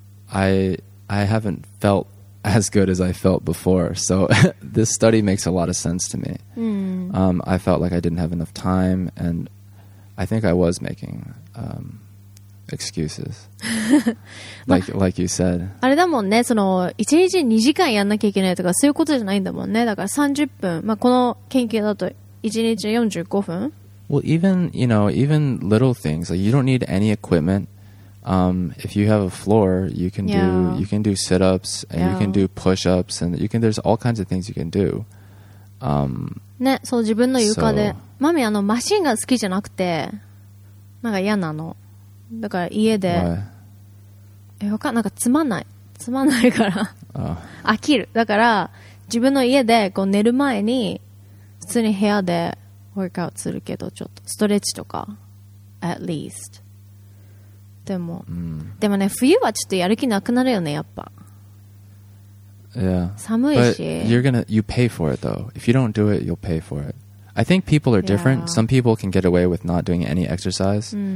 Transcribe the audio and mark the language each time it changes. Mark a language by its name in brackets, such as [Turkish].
[English] I haven't felt as good as I felt before. So this study makes a lot of sense to me. I felt like I didn't have enough time and I think I was making, excuses. like you said. [Japanese] あれだもんね、その1日2時間やんなきゃいけないとかそういうことじゃないんだもんね。だから30分、まあこの研究だと1日45分。 [English] Well, even, you know, even little things, like you don't need any equipment. If you have a floor, you can do, you can do sit-ups and you can do push-ups and you can, there's all kinds of things you can do. [Japanese] ね、そう自分の床で。マミ、あのマシンが好きじゃなくて、なんか嫌なの。だから家で、 [English] Why? [Japanese] わかんない、なんかつまんないから、飽きる。だから自分の家でこう寝る前に普通に部屋でワークアウトするけど、ちょっとストレッチとか、 [English] at least。 [Japanese] でも、でもね、冬はちょっとやる気なくなるよね、やっぱ。 [English] Yeah. [Japanese] 寒いし。 [English] But you pay for it though. If you don't do it, you'll pay for it. I think people are different. Some people can get away with not doing any exercise.